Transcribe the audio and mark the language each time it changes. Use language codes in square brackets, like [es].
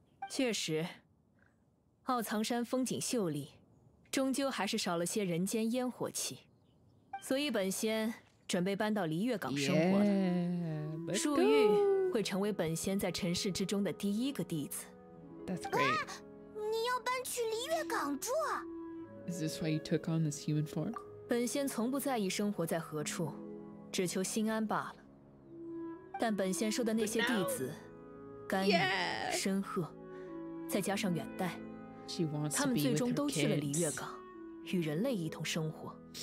[zh] 确实，傲藏山风景秀丽，终究还是少了些人间烟火气，所以本仙准备搬到离月港生活了。树玉会成为本仙在尘世之中的第一个弟子。 [en] That's great. [zh] 你要搬去离月港住？ [en] Is this why you took on this human form? [zh] 本仙从不在意生活在何处，只求心安罢了。但本仙说的那些弟子，甘雨、申鹤，再加上远代，他们最终都去了离月港，与人类一同生活。